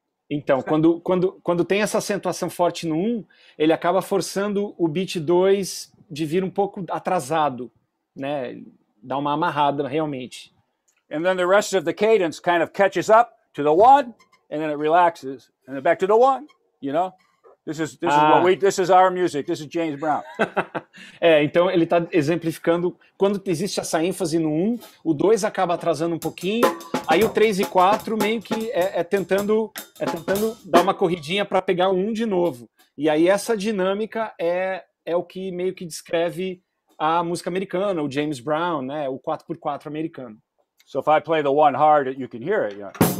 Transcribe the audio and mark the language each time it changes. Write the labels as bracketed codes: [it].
[pt] Então, quando tem essa acentuação forte no 1, ele acaba forçando o beat 2 de vir um pouco atrasado, né? Dá uma amarrada realmente. [en] And then the rest of the cadence kind of catches up to the 1 and then it relaxes and then back to the 1, you know? This is our music. This is James Brown. [pt] É, então ele tá exemplificando quando existe essa ênfase no 1, o 2 acaba atrasando um pouquinho, aí o 3 e 4 meio que tentando dar uma corridinha para pegar o 1 de novo. E aí essa dinâmica é o que meio que descreve a música americana, o James Brown, né, o 4x4 americano. [en] So if I play the 1 hard, you can hear it, yeah.